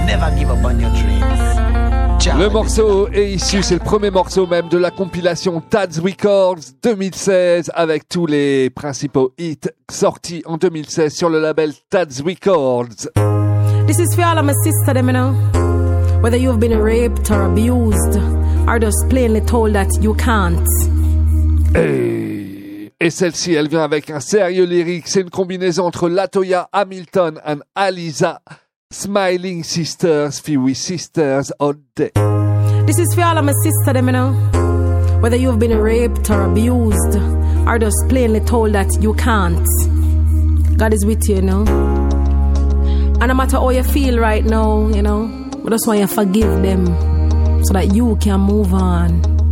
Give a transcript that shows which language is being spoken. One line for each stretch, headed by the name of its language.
French: Le morceau est issu, c'est le premier morceau même de la compilation Tad's Records 2016, avec tous les principaux hits sortis en 2016 sur le label Tad's Records.
English: This is for all of my sisters, you know. Whether you've been raped or abused, or just plainly told that you can't.
French: Et celle-ci, elle vient avec un sérieux lyrique. C'est une combinaison entre Latoya Hamilton and Aliza.
English: Smiling sisters, few sisters on day. This is for all of my sisters, you know. Whether you've been raped or abused, or just plainly told that you can't, God is with you, you know. And no matter how you feel right now, you know, we just want you to forgive them, so that you can move on.